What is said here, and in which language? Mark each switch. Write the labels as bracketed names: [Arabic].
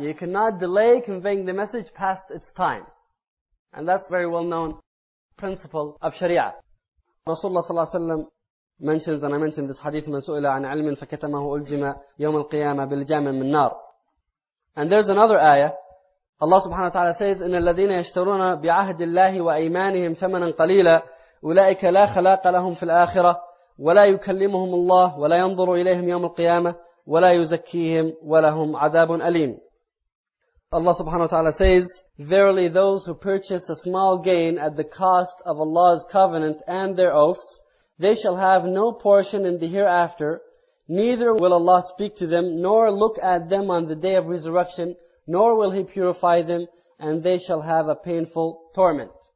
[English] You cannot delay conveying the message past its time. And that's a very well known principle of Sharia. Rasulullah sallallahu alayhi wa sallam mentions, and I mentioned this hadith, [Arabic] من سئل عن علم فكتمه ألجم يوم القيامة بالجام من نار. [English] And there's another ayah. Allah subhanahu wa ta'ala says, [Arabic] إِنَّ الَّذِينَ يَشْتَرُونَ بِعَهْدِ اللَّهِ وَأَيْمَانِهِمْ ثَمَنًا قَلِيلًا أُولَئِكَ لَا خَلَاقَ لَهُمْ فِي الْآخِرَةِ وَلَا يُكَلِّمُهُمُ اللَّهُ وَلَا يَنْظُرُ إِلَيْهِمْ يَوْمَ الْقِيَامَةِ وَلَا يُزَكِّيهِمْ وَلَهُمْ عَذَابٌ أَلِيمٌ. [English] Allah subhanahu wa ta'ala says, verily those who purchase a small gain at the cost of Allah's covenant and their oaths, they shall have no portion in the hereafter, neither will Allah speak to them, nor look at them on the day of resurrection, nor will He purify them, and they shall have a painful torment.